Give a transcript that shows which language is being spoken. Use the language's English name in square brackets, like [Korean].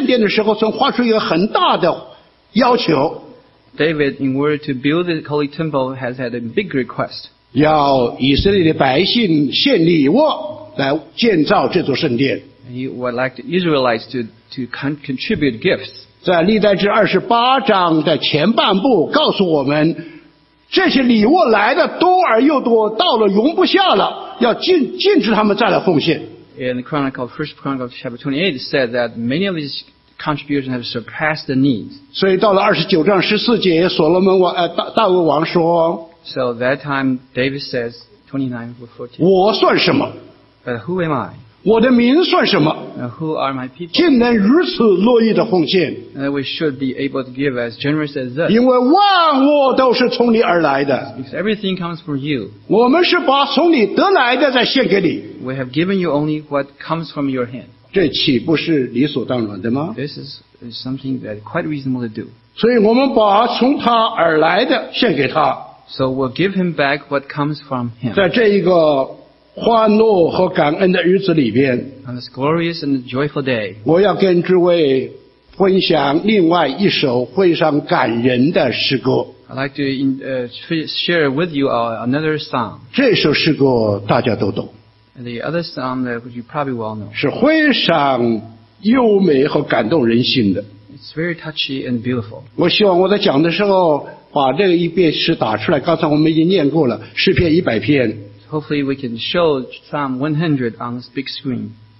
[Chinese] 大卫准备为神建造圣殿的时候，曾发出一个很大的要求。 [English] David, in order to build the holy temple, has had a big request. [Chinese] 要以色列的百姓献礼物来建造这座圣殿。 [English] He would like the Israelites to contribute gifts. [Chinese] 在历代志28章的前半部告诉我们，这些礼物来的多而又多，到了容不下了，要禁止他们再来奉献。 [English] In the Chronicle, First Chronicle, chapter 28, it said that many of these contributions have surpassed the needs. [Chinese] 所以到了29章14节，所罗门王大卫王说。 [English] So that time, David says, 29:14. [Chinese] 我算什么？ [English] But who am I? [Chinese] 我的名算什么？ [English] Who are my people? [Chinese] 竟能如此乐意的奉献？ [English] We should be able to give as generous as this. [Chinese] 因为万物都是从你而来的。 [English] Because everything comes from you. [Chinese] 我们是把从你得来的再献给你。 [English] We have given you only what comes from your hand. [Chinese] 这岂不是理所当然的吗？ [English] This is something that is quite reasonable to do. [Chinese] 所以我们把从他而来的献给他。 [English] So we'll give him back what comes from him. [Chinese] 在这一个 欢乐和感恩的日子里边, [English] On this glorious and joyful day, [Chinese] 我要跟诸位分享另外一首非常感人的诗歌。 [English] I'd like to share with you another song. [Chinese] 这首诗歌大家都懂。 [English] And the other song that you probably well know. [Chinese] 是非常优美和感动人心的。 [English] It's very touchy and beautiful. [Chinese] 我希望我在讲的时候, 把这一遍诗打出来, 刚才我们已经念过了, 诗篇100篇。 [English] Hopefully we can show Psalm 100 on this big screen.